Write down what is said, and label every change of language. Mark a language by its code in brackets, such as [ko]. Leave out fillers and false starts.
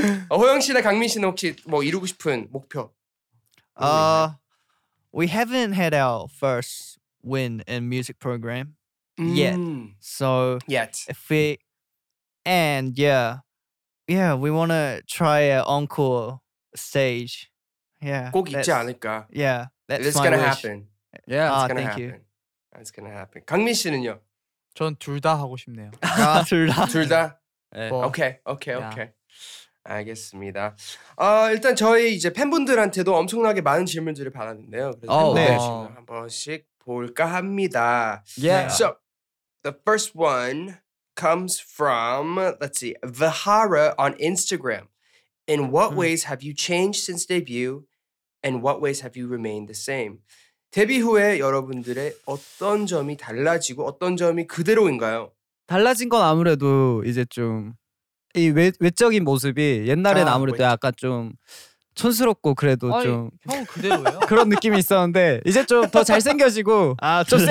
[ko] 호영 씨나 강민 씨는 혹시 뭐 이루고 싶은 목표? [en] We haven't had our first win in music program. Yet. So yet. If we and yeah. Yeah, we wanna try an encore stage. Yeah. [ko] 꼭 있지 않을까? [en] Yeah. That's it's gonna wish. Happen. Yeah, it's gonna thank happen. You. It's gonna happen. [ko] 강민 씨는요? 전 둘 다 하고 싶네요. 둘 다. 둘 다? 네. [en] Okay. Okay. Okay. Yeah. [ko] 알겠습니다. 일단 저희 이제 팬분들한테도 엄청나게 많은 질문들을 받았는데요. 그래서 네. 한 번씩 볼까 합니다. [en] Yeah. So the first one comes from let's see Vihara on Instagram. In what ways have you changed since debut? And what ways have you remained the same? [ko] 데뷔 후에 여러분들의 어떤 점이 달라지고 어떤 점이 그대로인가요? 달라진 건 아무래도 이제 좀 이 외적인 모습이 옛날엔 아무래도 약간 좀 촌스럽고 그래도 아니, 좀 형 그대로예요? 그런 느낌이 있었는데 이제 좀 더 잘생겨지고 아, 좀 그래.